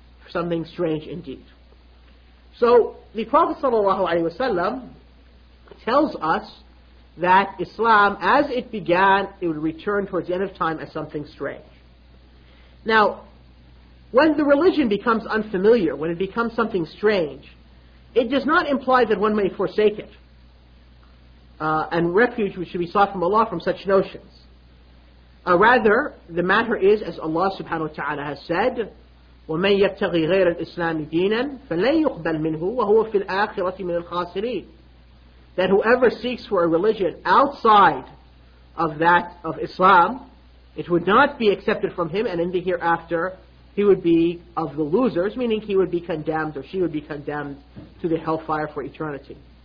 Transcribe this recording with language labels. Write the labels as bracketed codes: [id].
[en] Something strange indeed. So the Prophet ﷺ tells us that Islam, as it began, it would return towards the end of time as something strange. Now, when the religion becomes unfamiliar, when it becomes something strange, it does not imply that one may forsake it. And refuge which should be sought from Allah from such notions. Rather, the matter is, as Allah subhanahu wa ta'ala has said, [ar] وَمَنْ يَبْتَغِي غَيْرَ الْإِسْلَامِ دِينًا فَلَنْ يُقْبَلْ مِنْهُ وَهُوَ فِي الْآخِرَةِ مِنَ الْخَاسِرِينَ. [en] That whoever seeks for a religion outside of that of Islam, it would not be accepted from him, and in the hereafter, he would be of the losers, meaning he would be condemned or she would be condemned to the hellfire for eternity.